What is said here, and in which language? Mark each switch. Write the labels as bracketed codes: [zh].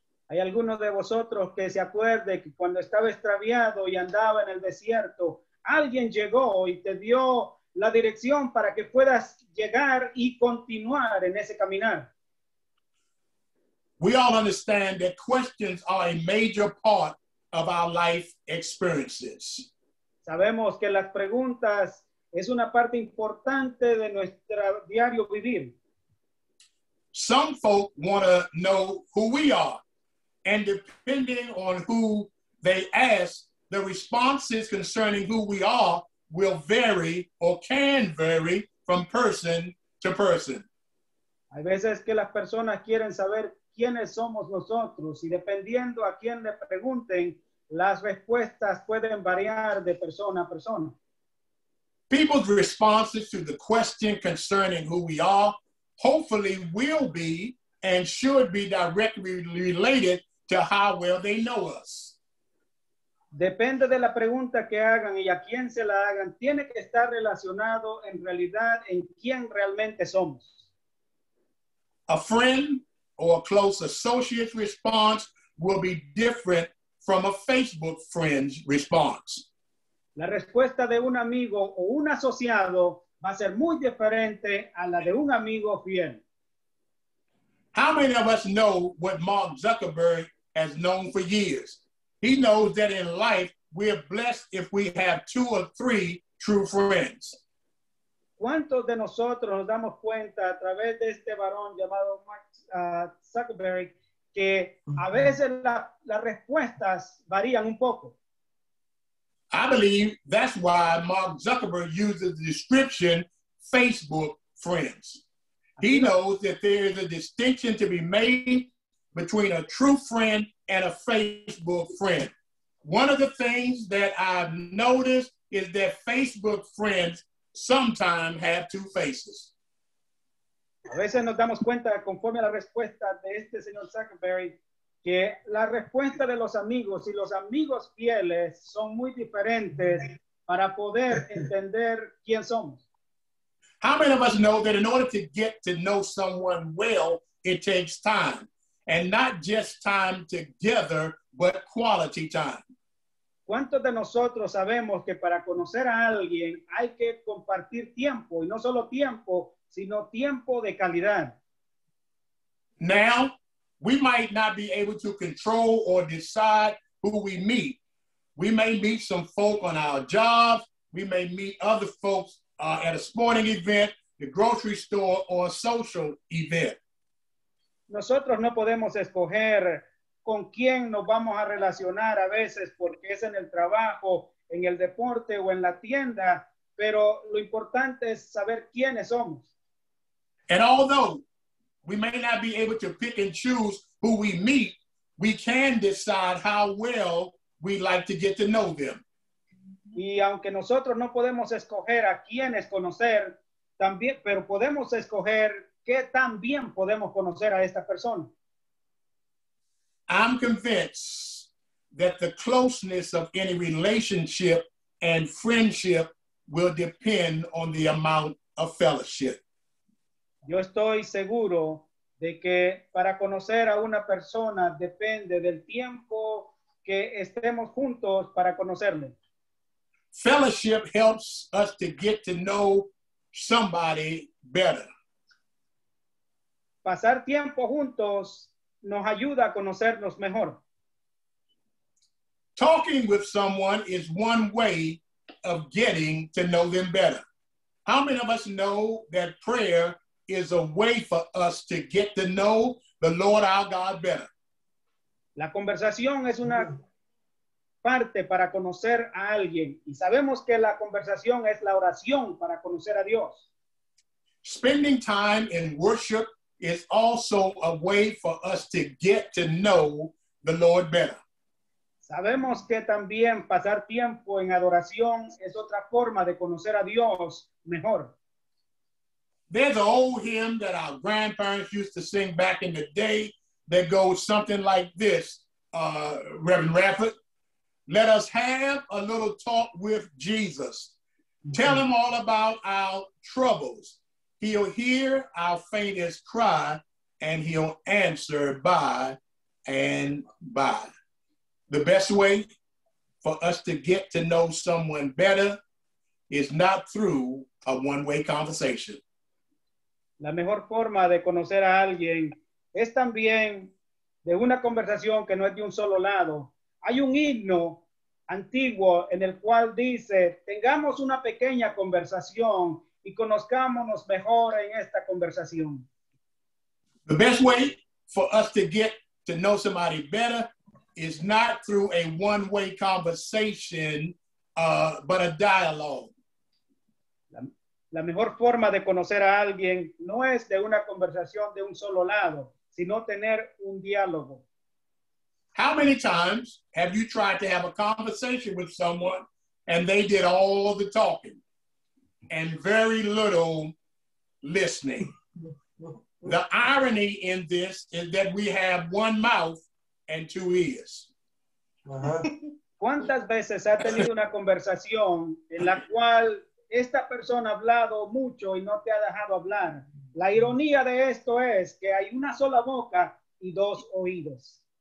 [es] ¿Hay alguno de vosotros que se acuerde que cuando estaba extraviado y andaba en el desierto, alguien llegó y te dio la dirección para que puedas llegar y continuar en ese caminar? [en] We all understand that questions are a major part of our life experiences. [es] Sabemos que las preguntas es una parte importante de nuestro diario vivir. [en] Some folk want to know who we are, and depending on who they ask, the responses concerning who we are will vary or can vary from person to person. [es] Hay veces que las personas quieren saber quiénes somos nosotros, y dependiendo a quién le pregunten, las respuestas pueden variar de persona a persona. [en] People's responses to the question concerning who we are hopefully will be and should be directly related to how well they know us. [es] Depende de la pregunta que hagan y a quién se la hagan, tiene que estar relacionado en realidad en quién realmente somos. [en] A friend or a close associate's response will be different from a Facebook friend's response. [es] La respuesta de un amigo o un asociado va a ser muy diferente a la de un amigo fiel. [en] How many of us know what Mark Zuckerberg has known for years? He knows that in life we're blessed if we have 2 or 3 true friends. [es] ¿Cuántos de nosotros nos damos cuenta a través de este varón llamado Mark Zuckerberg que a veces las respuestas varían un poco? [en] I believe that's why Mark Zuckerberg uses the description Facebook friends. He knows that there is a distinction to be made between a true friend and a Facebook friend. One of the things that I've noticed is that Facebook friends sometimes have 2 faces. [es] A veces nos damos cuenta, conforme a la respuesta de este señor Zuckerberg, que la respuesta de los amigos y los amigos fieles son muy diferentes para poder entender quién somos. [en] How many of us know that in order to get to know someone well, it takes time? And not just time together, but quality time. [es] ¿Cuántos de nosotros sabemos que para conocer a alguien hay que compartir tiempo, y no solo tiempo, sino tiempo de calidad? [en] Now, We might not be able to control or decide who we meet. We may meet some folk on our jobs. We may meet other folks at a sporting event, the grocery store, or a social event. [es] Nosotros no podemos escoger con quién nos vamos a relacionar a veces porque es en el trabajo, en el deporte o en la tienda, pero lo importante es saber quiénes somos. [en] And although we may not be able to pick and choose who we meet, we can decide how well we like to get to know them. [es] Y aunque nosotros no podemos escoger a quiénes conocer, también, pero podemos escoger qué tan bien podemos conocer a esta persona. [en] I'm convinced that the closeness of any relationship and friendship will depend on the amount of fellowship. [es] Yo estoy seguro de que para conocer a una persona depende del tiempo que estemos juntos para conocerle. [en] Fellowship helps us to get to know somebody better. [es] Pasar tiempo juntos nos ayuda a conocernos mejor. [en] Talking with someone is one way of getting to know them better. How many of us know that prayer is a way for us to get to know the Lord our God better? [es] La conversación es una parte para conocer a alguien, y sabemos que la conversación es la oración para conocer a Dios. [en] Spending time in worship is also a way for us to get to know the Lord better. [es] Sabemos que también pasar tiempo en adoración es otra forma de conocer a Dios mejor. [en] There's an old hymn that our grandparents used to sing back in the day that goes something like this, Reverend Radford. Let us have a little talk with Jesus. Tell him all about our troubles. He'll hear our faintest cry, and he'll answer by and by. The best way for us to get to know someone better is not through a one-way conversation. [es] La mejor forma de conocer a alguien es también de una conversación que no es de un solo lado. Hay un himno antiguo en el cual dice, tengamos una pequeña conversación y conozcámonos mejor en esta conversación. [en] The best way for us to get to know somebody better is not through a one-way conversation, but a dialogue. [es] La mejor forma de conocer a alguien no es de una conversación de un solo lado, sino tener un diálogo. [en] How many times have you tried to have a conversation with someone and they did all the talking and very little listening? The irony in this is that we have one mouth and two ears. [es] ¿Cuántas veces ha tenido una conversación en la cual esta persona ha hablado mucho y no te ha dejado hablar? La ironía de esto es que hay una sola boca y dos oídos.